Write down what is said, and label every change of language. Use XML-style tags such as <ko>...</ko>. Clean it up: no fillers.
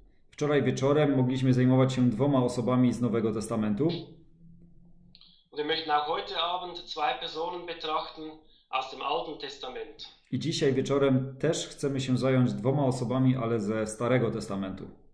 <pl>Wczoraj wieczorem mogliśmy zajmować się dwoma osobami z Nowego Testamentu.</pl> <de>Und wir möchten auch heute Abend zwei Personen betrachten aus dem Alten Testament.</de> <pl>I dzisiaj wieczorem też chcemy się zająć dwoma osobami, ale ze Starego Testamentu.</pl>